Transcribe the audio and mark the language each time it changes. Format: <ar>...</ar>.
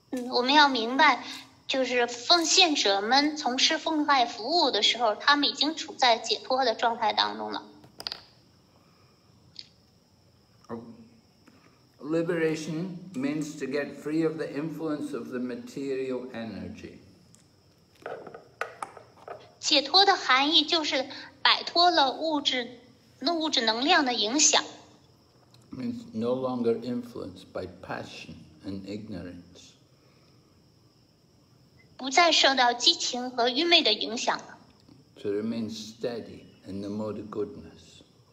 <zh>我们要明白，就是奉献者们从事奉爱服务的时候，他们已经处在解脱的状态当中了。</zh> <en>Liberation means to get free of the influence of the material energy.</en> <zh>解脱的含义就是摆脱了物质能量的影响。</zh> <en>Means no longer influenced by passion and ignorance.</en> <zh>不再受到激情和愚昧的影响了。</zh> <en>To remain steady in the mode of goodness.</en>